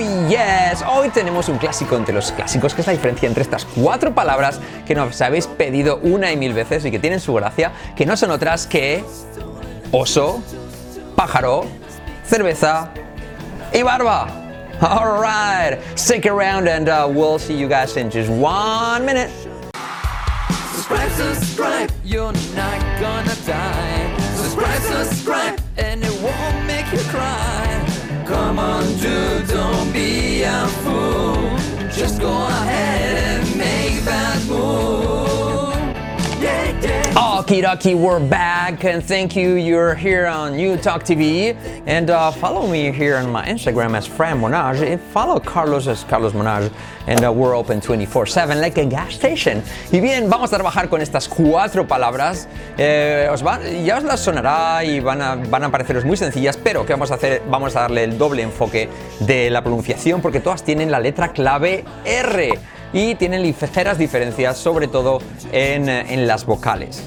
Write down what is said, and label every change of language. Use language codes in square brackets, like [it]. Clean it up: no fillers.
[es] Yes, hoy tenemos un clásico entre los clásicos, que es la diferencia entre estas cuatro palabras que nos habéis pedido una y mil veces y que tienen su gracia, que no son otras que oso, pájaro, cerveza y barba. [en] All right, stick around and we'll see you guys in just 1 minute. Subscribe, you're not gonna die. Subscribe, and it won't make you cry. Come on, dude, don't be a fool. Just go ahead and make that move. Yeah, yeah. Okie dokie, we're back, and thank you. You're here on New Talk TV, and follow me here on my Instagram as Fran Monage. And follow Carlos as Carlos Monage, and we're open 24/7 like a gas station. [es] Y bien, vamos a trabajar con estas cuatro palabras. Ya os las sonará y van a pareceros muy sencillas, pero qué vamos a hacer, vamos a darle el doble enfoque de la pronunciación porque todas tienen la letra clave R. Y tienen ligeras diferencias, sobre todo en las vocales.